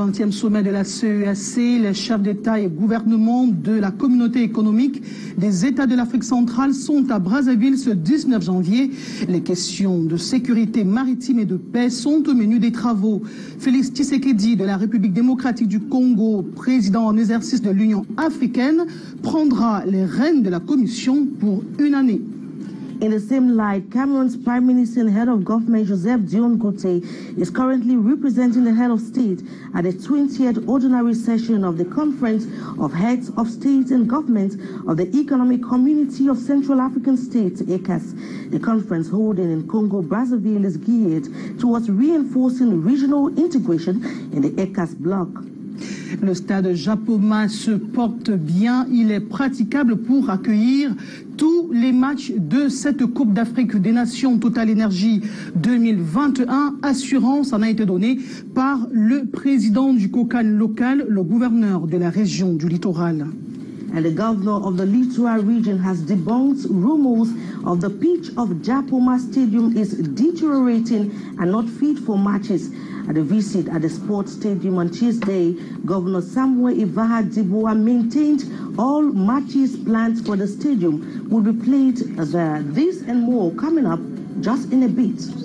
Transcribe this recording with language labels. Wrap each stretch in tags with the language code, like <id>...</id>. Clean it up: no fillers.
<fr>Sommet de la CEAC, les chefs d'État et gouvernement de la communauté économique des États de l'Afrique centrale sont à Brazzaville ce 19 janvier. Les questions de sécurité maritime et de paix sont au menu des travaux. Félix Tshisekedi de la République démocratique du Congo, président en exercice de l'Union africaine, prendra les rênes de la commission pour une année.</fr> <en>In the same light, Cameroon's Prime Minister and Head of Government, Joseph Dion Cote, is currently representing the Head of State at the 20th Ordinary Session of the Conference of Heads of State and Government of the Economic Community of Central African States, ECAS. The conference holding in Congo, Brazzaville, is geared towards reinforcing regional integration in the ECAS bloc.</en> <fr>Le stade Japoma se porte bien. Il est praticable pour accueillir tous les matchs de cette Coupe d'Afrique des Nations Total Energy 2021. Assurance en a été donnée par le président du COCAN local, le gouverneur de la région du littoral.</fr> <en>And the governor of the littoral region has debunked rumors of the pitch of Japoma Stadium is deteriorating and not fit for matches. At a visit at the sports stadium on Tuesday, Governor Samuel Ivaha Dibua maintained all matches planned for the stadium will be played as this and more coming up just in a bit.</en>